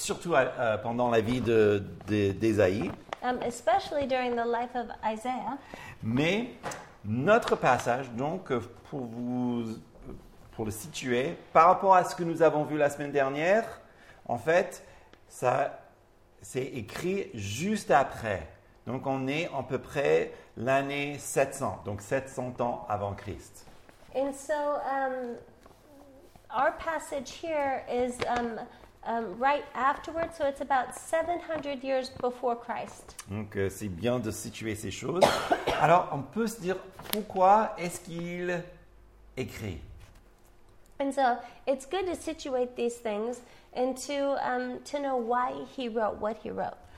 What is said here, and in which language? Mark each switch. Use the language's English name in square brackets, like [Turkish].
[French] Surtout pendant la vie d'Ésaïe. [English] Especially during the life of Isaiah. [French] Mais notre passage, donc, pour le situer, par rapport à ce que nous avons vu la semaine dernière. En fait, ça c'est écrit juste après. Donc, on est à peu près l'année 700, donc 700 ans avant Christ. [English] And so, our passage here is right afterwards, so it's about 700 years before Christ. [French] Donc, c'est bien de situer ces choses. Alors, on peut se dire, pourquoi est-ce qu'il écrit? [English] And so, it's good to situate these things. And to know why he wrote what he wrote.